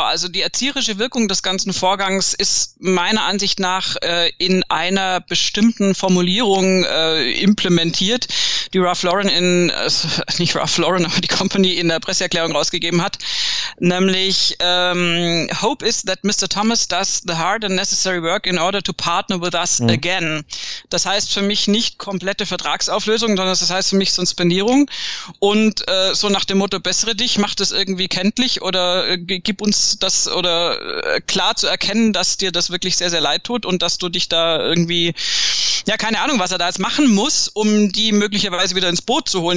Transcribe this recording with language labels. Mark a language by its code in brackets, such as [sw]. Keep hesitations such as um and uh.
[de] Also die erzieherische Wirkung des ganzen Vorgangs ist meiner Ansicht nach äh, in einer bestimmten Formulierung äh, implementiert, die Ralph Lauren in äh, nicht Ralph Lauren, aber die Company in der Presseerklärung rausgegeben hat, nämlich ähm, [en] Hope is that Mr. Thomas does the hard and necessary work in order to partner with us mhm. again. [de] Das heißt für mich nicht komplette Vertragsauflösung, sondern das heißt für mich so eine Suspendierung und äh, so nach dem Motto bessere dich, macht es irgendwie kenntlich oder äh, uns das oder klar zu erkennen, dass dir das wirklich sehr, sehr leid tut und dass du dich da irgendwie, ja, keine Ahnung, was er da jetzt machen muss, um die möglicherweise wieder ins Boot zu holen.